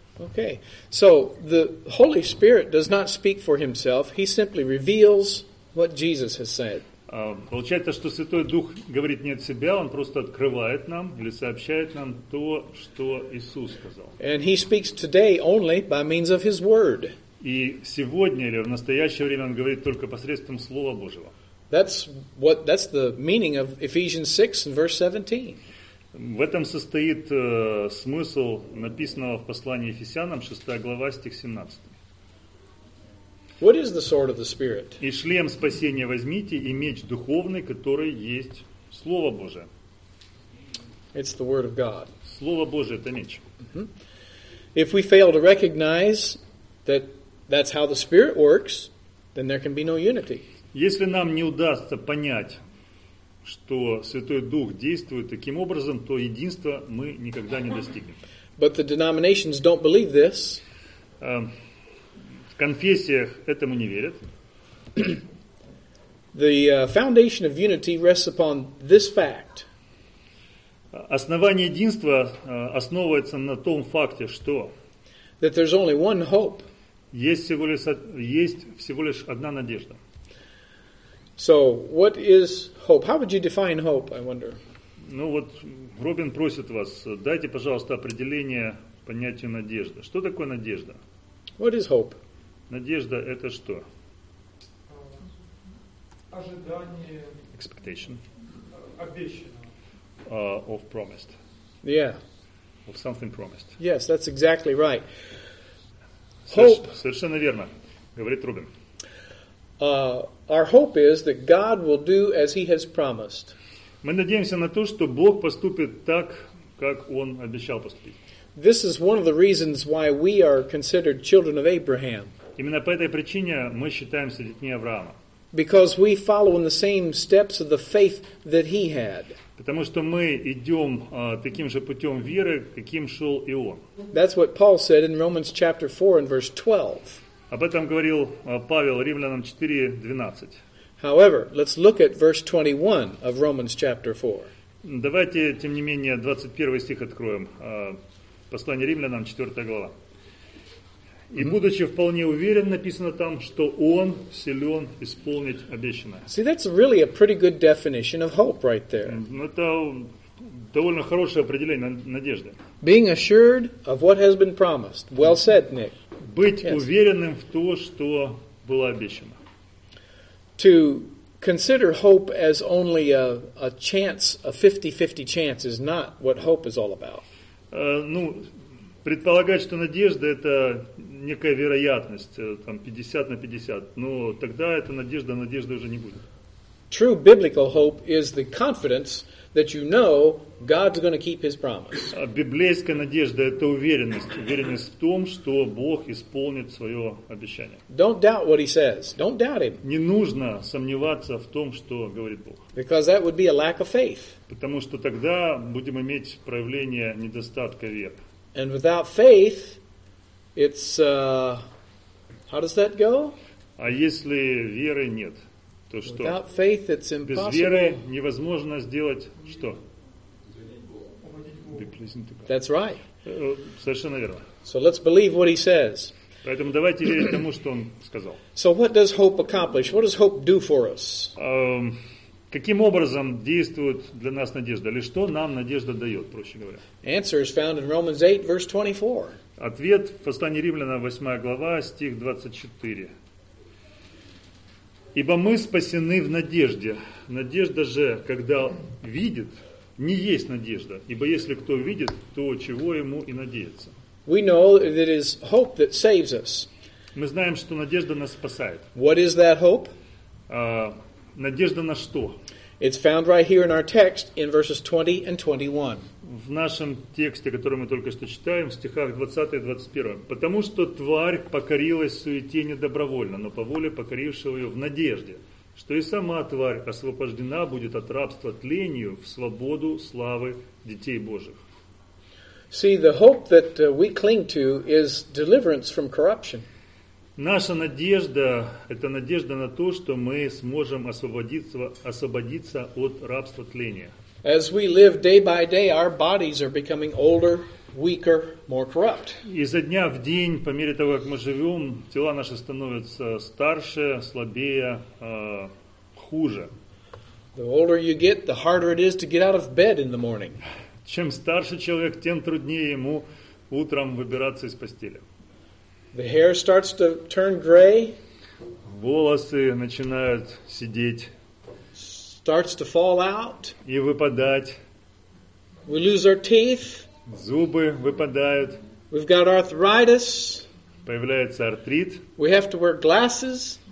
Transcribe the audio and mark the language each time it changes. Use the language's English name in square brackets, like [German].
[English] Okay, so the Holy Spirit does not speak for himself. He simply reveals what Jesus has said. [Russian] Получается, что Святой Дух говорит не от себя, он просто открывает нам или сообщает нам то, что Иисус сказал. [English] And he speaks today only by means of his word. [Russian] И сегодня или в настоящее время он говорит только посредством Слова Божьего. [English] That's the meaning of Ephesians 6 and verse 17. [Russian] В этом состоит смысл написанного в послании Ефесянам, 6 глава, стих 17. [English] What is the sword of the Spirit? [Russian] И шлем спасения возьмите, и меч духовный, который есть Слово Божие. [English] It's the word of God. [Russian] Слово Божие – это меч. [English] If we fail to recognize that that's how the Spirit works, then there can be no unity. [Russian] Если нам не удастся понять, что Святой Дух действует таким образом, то единства мы никогда не достигнем. [English] But the denominations don't believe this. [Russian] В конфессиях этому не верят. [English] The foundation of unity rests upon this fact. [Russian] Основание единства основывается на том факте, что [English] that there's only one hope. [Russian] Есть всего лишь одна надежда. [English] So, what is hope? How would you define hope, I wonder? [Russian] Ну вот, Робин просит вас, дайте, пожалуйста, определение понятию надежды. Что такое надежда? [English] What is hope? [Russian] Надежда – это что? Ожидание. [English] Expectation. [Russian] Обещанного. [English] Of promised. Yeah. Of something promised. Yes, that's exactly right. Hope. [Russian] Совершенно верно, говорит Робин. [English] Our hope is that God will do as He has promised. [Russian] Мы надеемся на то, что Бог поступит так, как Он обещал поступить. [English] This is one of the reasons why we are considered children of Abraham. [Russian] Именно по этой причине мы считаемся детьми Авраама. [English] Because we follow in the same steps of the faith that he had. [Russian] Потому что мы идем таким же путем веры, каким шел и он. [English] That's what Paul said in Romans chapter 4 and verse 12. [Russian] Об этом говорил Павел Римлянам 4:12. [English] However, let's look at verse 21 of Romans chapter 4. [Russian] Давайте, тем не менее, 21 стих откроем. Послание Римлянам, 4 глава. И будучи вполне уверен, написано там, что он силен исполнить обещанное. [English] See, that's really a pretty good definition of hope right there. [Russian] Это довольно хорошее определение надежды. [English] Being assured of what has been promised. Well said, Nick. [Russian] Быть уверенным в то, что было обещано. [English] To consider hope as only a chance, a 50-50 chance, is not what hope is all about. [Russian] Ну, предполагать, что надежда – это некая вероятность, там, 50 на 50, но тогда эта надежда, надежды уже не будет. [English] True biblical hope is the confidence that you know God's going to keep his promise. [Russian] Библейская надежда – это уверенность. Уверенность в том, что Бог исполнит свое обещание. [English] Don't doubt what he says. Don't doubt him. [Russian] Не нужно сомневаться в том, что говорит Бог. [English] Because that would be a lack of faith. [Russian] Потому что тогда будем иметь проявление недостатка веры. [English] And without faith, it's... how does that go? [Russian] А если веры нет? То что? [English] Without faith, it's impossible. [Russian] Без веры невозможно сделать что? [English] That's right. [Russian] Совершенно верно. [English] So let's believe what he says. [Russian] Поэтому давайте верить тому, что он сказал. [English] So what does hope accomplish? What does hope do for us? [Russian] Каким образом действует для нас надежда? Или что нам надежда дает, проще говоря? [English] Answer is found in Romans 8, verse 24. [Russian] Ответ в послании Римлянам, 8 глава, стих 24. Ибо мы спасены в надежде. Надежда же, когда видит, не есть надежда. Ибо если кто видит, то чего ему и надеяться? [English] We know that it is hope that saves us. [Russian] Мы знаем, что надежда нас спасает. [English] What is that hope? [Russian] Надежда на что? [English] It's found right here in our text in verses 20 and 21. [Russian] В нашем тексте, который мы только что читаем, в стихах 20 и 21. Потому что тварь покорилась суете недобровольно, но по воле покорившего ее в надежде, что и сама тварь освобождена будет от рабства тлению в свободу славы детей Божьих. [English] See, the hope that we cling to is deliverance from corruption. [Russian] Наша надежда – это надежда на то, что мы сможем освободиться от рабства тления. [English] As we live day by day, our bodies are becoming older, weaker, more corrupt. [Russian] Изо дня в день, по мере того, как мы живем, тела наши становятся старше, слабее, хуже. [English] The older you get, the harder it is to get out of bed in the morning. [Russian] Чем старше человек, тем труднее ему утром выбираться из постели. [English] The hair starts to turn gray. [Russian] Волосы начинают сидеть. [English] Starts to fall out. [Russian] И выпадать. [English] We lose our teeth. [Russian] Зубы выпадают. [English] We've got arthritis. [Russian] Появляется артрит. [English] We have to wear glasses.